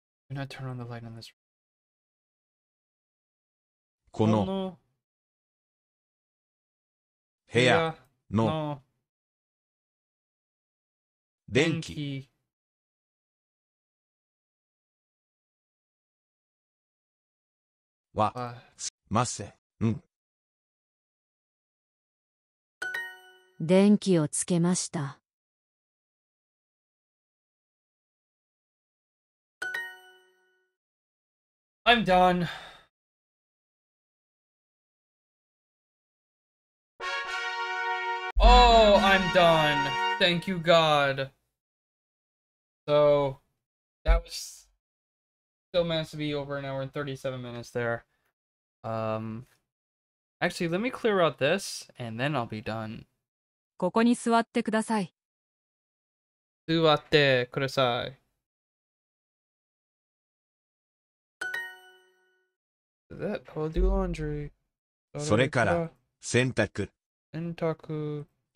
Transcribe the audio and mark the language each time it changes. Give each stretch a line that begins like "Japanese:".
English: Do not turn on the light on this room.
Japanese: この部屋の電気はつきません。電気をつけました。
English: I'm done. Oh, I'm done. Thank you, God. So, that was still managed to be over an hour and 37 minutes there. Actually, let me clear out this, and then I'll be done.
Japanese: ここに座ってください。座ってください。
English: That, I'll do laundry.
Japanese: それから、洗濯。洗濯。